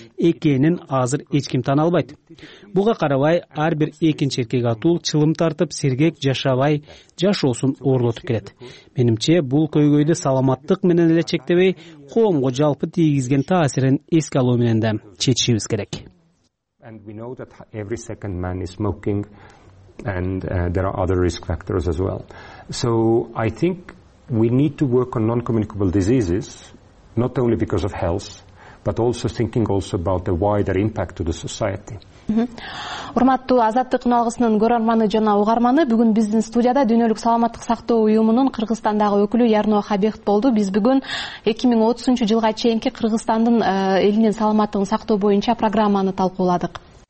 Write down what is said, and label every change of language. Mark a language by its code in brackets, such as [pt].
[ky] экенин азыр эч ким тана албайт. Буга карабай, ар бир экинчи эркек атуу чылым тартып, сергек жашабай, жашоосун оорлотуп келет. Менимче, бул көйгөйдү саламаттык менен эле чектебей, коомго жалпы тийгизген таасирин эске алуу менен да чечишибиз керек. [en] And we know that every second man is smoking, and there are other risk factors as well. So I think we need to work on non-communicable diseases, not only because of health, but also thinking also about the wider impact to the society. [ky] Урматтуу Азаттык уналгысынын көрөрманы жана угарманы, бүгүн биздин студияда дүйнөлүк саламаттык сактоо уюмунун Кыргызстандагы өкүлү Ярно Хабехт болду. Биз бүгүн 2030 жылга чейинки Кыргызстандын элинин саламаттыгын сактоо боюнча программаны талкууладык.